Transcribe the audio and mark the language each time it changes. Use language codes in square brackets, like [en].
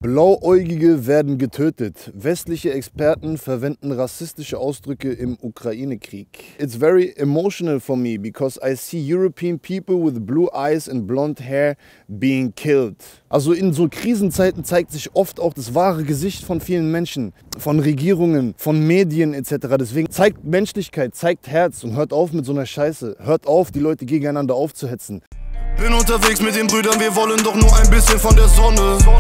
[de] Blauäugige werden getötet. Westliche Experten verwenden rassistische Ausdrücke im Ukraine-Krieg. [en] It's very emotional for me because I see European people with blue eyes and blonde hair being killed. [de] Also in so Krisenzeiten zeigt sich oft auch das wahre Gesicht von vielen Menschen, von Regierungen, von Medien etc. Deswegen zeigt Menschlichkeit, zeigt Herz und hört auf mit so einer Scheiße. Hört auf, die Leute gegeneinander aufzuhetzen. Bin unterwegs mit den Brüdern, wir wollen doch nur ein bisschen von der Sonne.